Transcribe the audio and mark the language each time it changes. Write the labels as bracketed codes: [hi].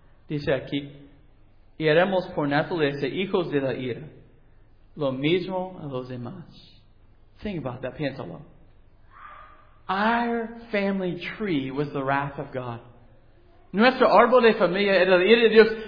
[es] Dice aquí, y éramos por naturaleza hijos de la ira, lo mismo a los demás. [en] Think about that, [es] piénsalo. [en] Our family tree was the wrath of God. [es] Nuestro árbol de familia era la ira de Dios.